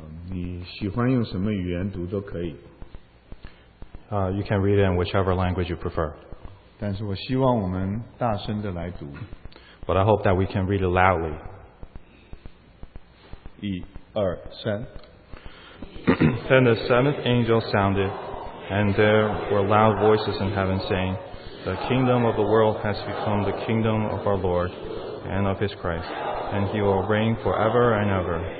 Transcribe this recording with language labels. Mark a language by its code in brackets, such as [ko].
[zh] 你喜欢用什么语言读都可以. [en] You can read it in whichever language you prefer. [zh] 但是我希望我们大声地来读. [en] But I hope that we can read it loudly. [zh] 一、二、三. [en] Then the seventh angel sounded, and there were loud voices in heaven saying, The kingdom of the world has become the kingdom of our Lord and of his Christ, and he will reign forever and ever.